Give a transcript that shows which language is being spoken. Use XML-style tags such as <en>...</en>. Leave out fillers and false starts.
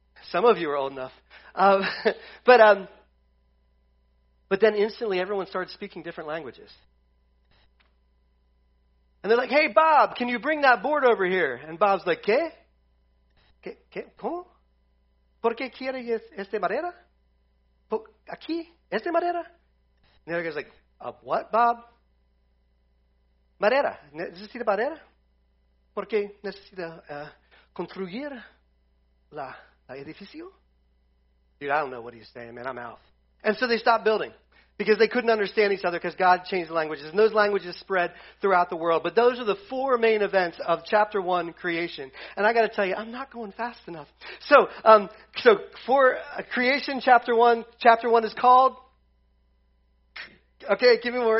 <en>Some of you are old enough. But then instantly everyone started speaking different languages. And they're like, hey, Bob, can you bring that board over here? And Bob's like,</en> <es>¿qué? ¿Qué? ¿Cómo? ¿Por qué quieres esta madera? ¿Aquí? ¿Esta madera?</es> <en>And the other guy's like, what, Bob?</en> <es>Madera. ¿Necesita madera? ¿Por qué necesita construir la edificio?</es> <en>Dude, I don't know what he's saying, man. I'm out. And so they stopped building because they couldn't understand each other because God changed the languages. And those languages spread throughout the world. But those are the four main events of chapter one, creation. And I got to tell you, I'm not going fast enough. So for creation, chapter one is called... Okay, give me more.</en>